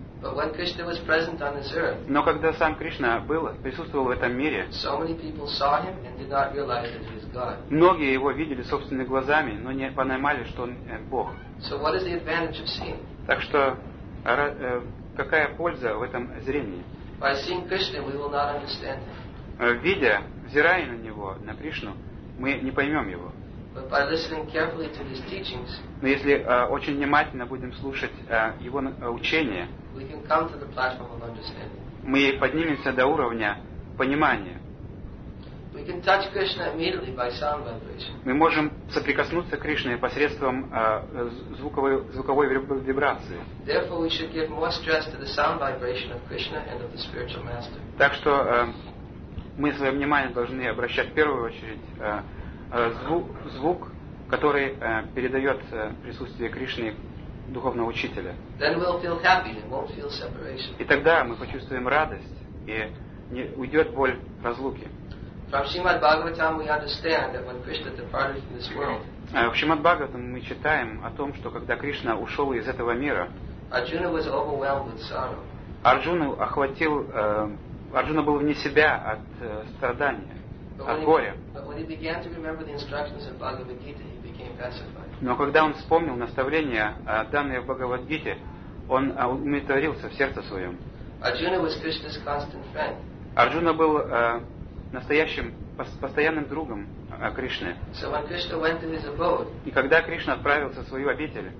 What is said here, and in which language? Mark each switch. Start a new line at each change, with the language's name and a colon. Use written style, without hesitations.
English: But when Krishna was present on this earth,
Russian: но когда сам Кришна присутствовал в этом мире,
English: so many people saw him and did not realize that he is God.
Russian: Многие его видели собственными глазами, но не понимали, что он Бог.
English: So what is the advantage of seeing?
Russian: Так что какая польза в этом зрении?
English: By seeing Krishna, we will not understand him.
Russian: Видя, взирая на него, на Кришну, мы не поймем его.
English: But by listening carefully to his teachings,
Russian: но если очень внимательно будем слушать его учение,
English: we can come to the platform of understanding.
Russian: Мы поднимемся до уровня понимания.
English: We can touch Krishna immediately by sound vibration.
Russian: Мы можем соприкоснуться к Кришне посредством звуковой вибрации.
English: Therefore, we should give more stress to the sound vibration of Krishna and of the spiritual master.
Russian: Так что мы свое внимание должны обращать в первую очередь звук, который передает присутствие Кришны духовного учителя.
English: Then we'll feel happy and won't feel separation.
Russian: И тогда мы почувствуем радость и не уйдет боль разлуки.
English: From Srimad Bhagavatam we understand that when Krishna departed from this world.
Russian: В Шримад Бхагаватам мы читаем о том, что когда Кришна ушел из этого мира,
English: Arjuna was overwhelmed with sorrow.
Russian: Арджуна был вне себя от страдания, от горя.
English: But when he began to remember the instructions of Bhagavad Gita, he became pacified.
Russian: Но когда он вспомнил наставления, данные в Бхагавад-гите, он умиротворился в сердце своем.
English: Arjuna was Krishna's constant friend.
Russian: Арджуна был настоящим постоянным другом Кришны.
English: So when Krishna went to his abode,
Russian: и когда Кришна отправился в свою обитель,